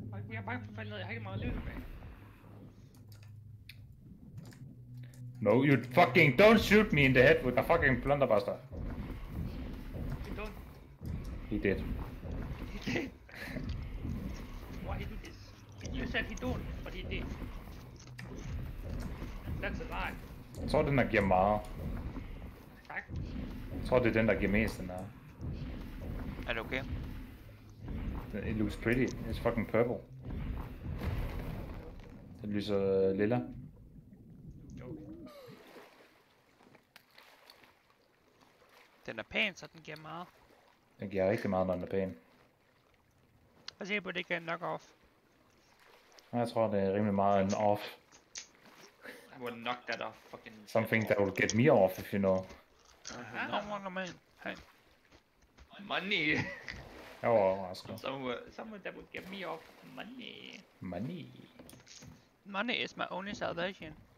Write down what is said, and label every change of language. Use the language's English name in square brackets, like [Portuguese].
[Danish] Jeg er bange for at falde ned. Jeg har ikke meget lyd med. [English] No, you fucking don't shoot me in the head with a fucking blunderbuster. He did. He did? Why did he do this? You said he don't, but he did. That's a lie. [Danish] Jeg tror, den der giver meget. Tak. Jeg tror, det er den, der giver mest, den der. Er det okay? [English] It looks pretty. It's fucking purple. [Danish] Det lyser lilla. Okay. Den er pæn, så den giver meget. Den giver rigtig meget, når den er pæn. Hvad siger du, at det ikke er en knock-off? Jeg tror, det er rimelig meget en off. [English] I will knock that off, fucking... Something that will get me off, if you know. I don't want a man. Hey. Money! [Danish] Jeg var overrasket. [English] Someone that will get me off, money. Money. Money is my only salvation.